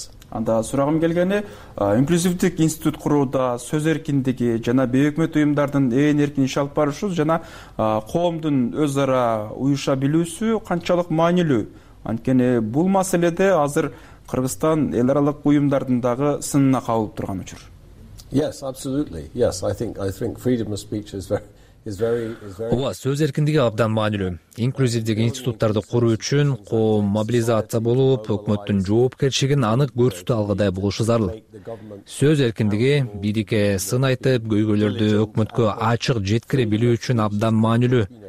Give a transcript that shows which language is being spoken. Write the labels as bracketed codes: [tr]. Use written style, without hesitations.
[ky] Анда сурагым келгени, инклюзивдик институт курууда сөз эркиндиги жана бейөкмөт уюмдардын эң эркин иш алып барышы жана коомдун өз ара уюша билүүсү канчалык маанилүү? Анткени бул маселеде азыр Кыргызстан эл аралык уюмдардын дагы сынына кабылып турган учур. [en] Yes, absolutely. Yes, I think freedom of speech is very [ky] Ооба, сөз эркиндиги абдан маанилүү. Инклюзивдик институттарды куруу үчүн коом мобилизация болуп, өкмөттүн жоопкерчилигин анык көрсөтө алгыдай болушу зарыл. Сөз эркиндиги бирге сын айтып, көйгөйлөрдү өкмөткө ачык жеткире билүү үчүн абдан маанилүү.